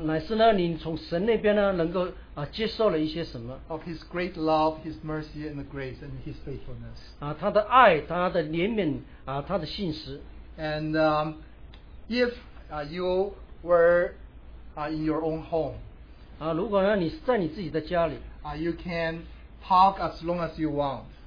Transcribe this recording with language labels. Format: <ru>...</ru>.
<zh>乃是呢你从神那边呢能够接受了一些什么</zh> <en>of his great love, his mercy and grace and his faithfulness</en> <zh>他的爱他的怜悯他的信实</zh> <en>and if you were in your own home</en> <zh>如果呢你在你自己的家里</zh> <en>you can talk as long as you want</en>